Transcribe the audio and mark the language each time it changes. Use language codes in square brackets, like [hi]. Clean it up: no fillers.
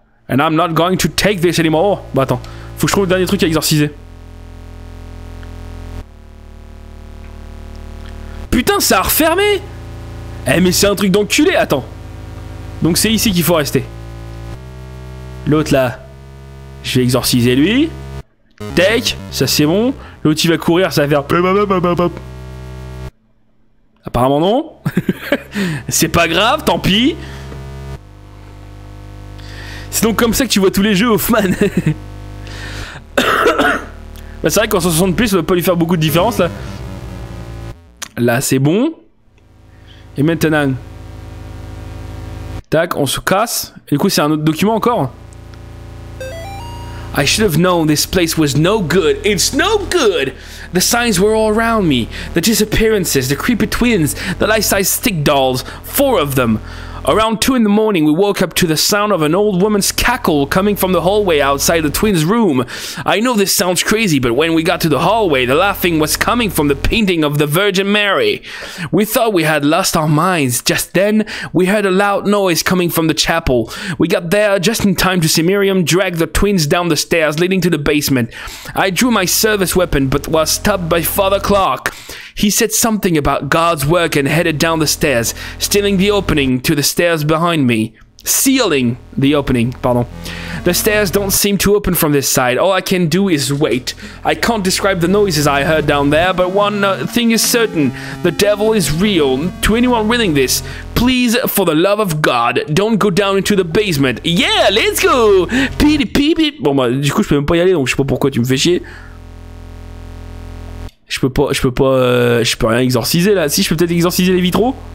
[en] And I'm not going to take this anymore. [fr] Bah attends, faut que je trouve le dernier truc à exorciser. Putain, ça a refermé. Eh mais c'est un truc d'enculé, attends. Donc c'est ici qu'il faut rester. L'autre là, je vais exorciser lui. Take, ça c'est bon. L'autre il va courir, ça va faire... Apparemment non. C'est pas grave, tant pis. C'est donc comme ça que tu vois tous les jeux, Hoffman. Bah c'est vrai qu'en 60 plus, ça va pas lui faire beaucoup de différence, là. Là, c'est bon. Et maintenant... Tac, on se casse. Et du coup, c'est un autre document encore. [en] I should have known this place was no good. It's no good! The signs were all around me. The disappearances, the creepy twins, the life-size stick dolls. Four of them. Around 2 in the morning, we woke up to the sound of an old woman's cackle coming from the hallway outside the twins' room. I know this sounds crazy, but when we got to the hallway, the laughing was coming from the painting of the Virgin Mary. We thought we had lost our minds. Just then, we heard a loud noise coming from the chapel. We got there just in time to see Miriam drag the twins down the stairs leading to the basement. I drew my service weapon, but was stopped by Father Clark. He said something about God's work and headed down the stairs, stealing the opening to the stairs behind me. Sealing the opening, pardon. The stairs don't seem to open from this side. All I can do is wait. I can't describe the noises I heard down there, but one thing is certain. The devil is real. To anyone reading this, please, for the love of God, don't go down into the basement. Yeah, let's go! Pee pee pee. [fr] Bon, bah, du coup, je peux même pas y aller, donc je sais pas pourquoi tu me fais chier. Je peux rien exorciser là. Si, je peux peut-être exorciser les vitraux.